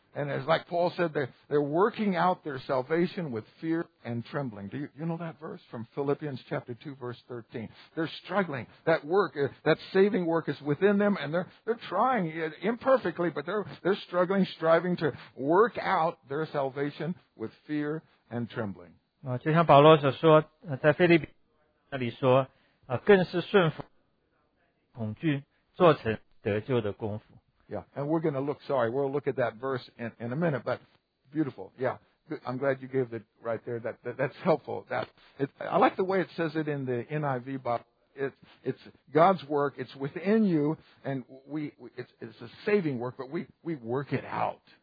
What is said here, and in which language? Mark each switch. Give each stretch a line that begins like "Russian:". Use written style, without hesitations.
English: it's like Paul said, they're working out their salvation with fear and trembling. Do you know that verse from Philippians chapter 2, verse 13? They're struggling. That work, that saving work is within them, and they're trying imperfectly, but they're struggling, striving to work out their salvation with fear and trembling.
Chinese: 就像保罗所说，在腓立比那里说，更是顺服恐惧，做成得救的功夫。
English: Yeah, and we're going to look, sorry, we'll look at that verse in a minute, but beautiful. Yeah, I'm glad you gave it right there. That's helpful. I like the way it says it in the NIV, but it's God's work. It's within you, and it's a saving work, but we work it out.